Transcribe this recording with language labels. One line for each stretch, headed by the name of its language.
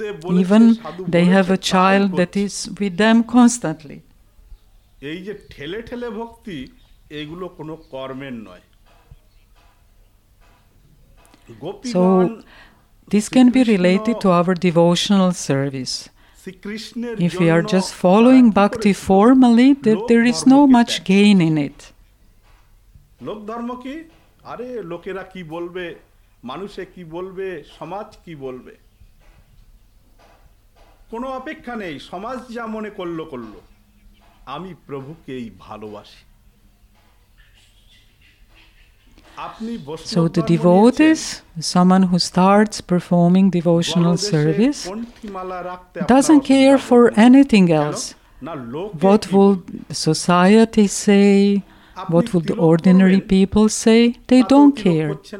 English: Even they have a child that is with them constantly.
Bangla: এই যে ঠেলে ঠেলে ভক্তি, এগুলো কোনো কর্মের নয়.
English: So this can be related to our devotional service. If we are just following bhakti formally, there is no much gain in it.
Bangla: লোক ধর্ম কি? আরে লোকেরা কি বলবে, মানুষে কি বলবে, সমাজ কি বলবে, কোনো অপেক্ষা নেই. সমাজ যা মনে করলো করলো, আমি প্রভুকেই ভালোবাসি.
English: So the devotees, someone who starts performing devotional service, doesn't care for anything else. What will society say? What will the ordinary people say? They don't care.